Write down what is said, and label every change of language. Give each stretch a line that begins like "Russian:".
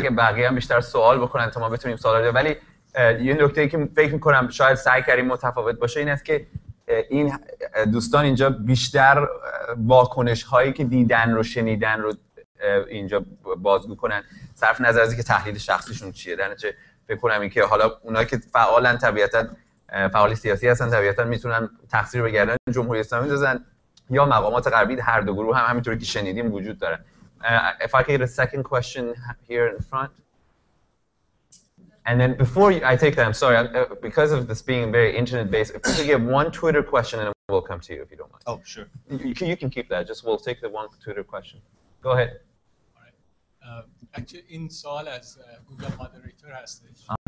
Persian: اگه بقیه هم بیشتر سوال بکنن تا ما بتونیم سوال بده. ولی یه نکته‌ای که فکر می‌کنم شاید سعی کردیم متفاوت باشه این است که این دوستان اینجا بیشتر واکنش‌هایی که دیدن رو شنیدن رو اینجا بازگو کنن، صرف نظر از اینکه تحلیل شخصیشون چیه. در نتیجه فکر کنم اینکه حالا اونایی که فعالن طبیعتاً، فعال سیاسی هستن طبیعتاً، میتونن تقصیر به گردن جمهوری اسلامی بندازن یا مقامات غربی. هر دو گروه هم همینطوری که شنیدیم وجود داره.
English: If I get a second question here in front and then before I take that, I'm sorry because of this being very internet based, if you could give one Twitter question and we'll come to you if you don't mind. Oh sure, you can keep that, just we'll take the one Twitter question. Go ahead. Actually,
Persian: این سوال از گوگل مادریتور هستش.